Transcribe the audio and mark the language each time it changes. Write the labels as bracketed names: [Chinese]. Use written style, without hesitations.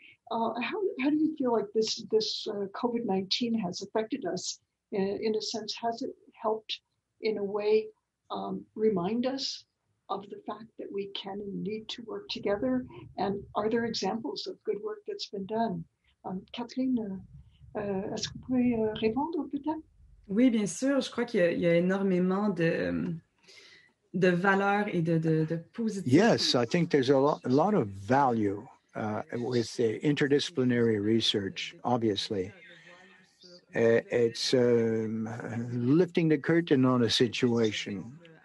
[English] How do you feel like this COVID-19 has affected us? In a sense, has it helped in a way remind us of the fact that we can and need to work together? And are there examples of good work that's been done? [French] Catherine, est-ce que vous pouvez répondre peut-être? Oui, bien sûr. Je crois qu'il y a énormément de valeur et de positif. [English] Yes, I think there's a lot of value with the interdisciplinary research, obviously. It's lifting the curtain on a situation.